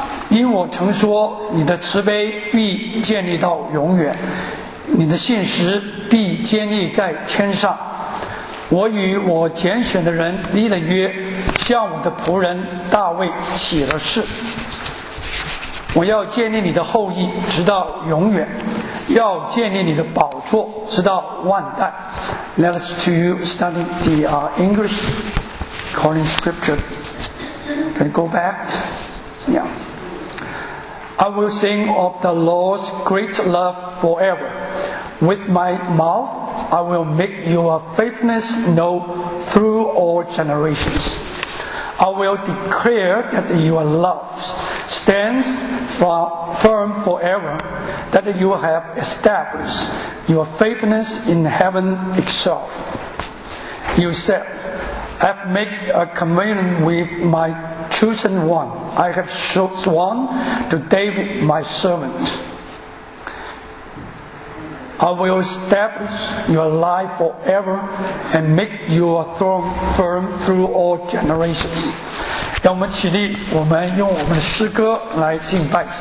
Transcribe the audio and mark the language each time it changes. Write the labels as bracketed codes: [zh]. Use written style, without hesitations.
[zh] 因我曾说，你的慈悲必建立到永远，你的信实必坚立在天上。我与我拣选的人立了约，向我的仆人大卫起了誓。我要建立你的后裔直到永远，要建立你的宝座直到万代。 [en] Let us to you study the English according scripture. Can go back? Yeah. I will sing of the Lord's great love forever. With my mouth, I will make your faithfulness known through all generations. I will declare that your love stands firm forever, that you have established your faithfulness in heaven itself. You said, I have made a covenant with my chosen one. I have sworn to David, my servant. I will establish your life forever and make your throne firm through all generations. [zh] 让我们起立，我们用我们的诗歌来敬拜。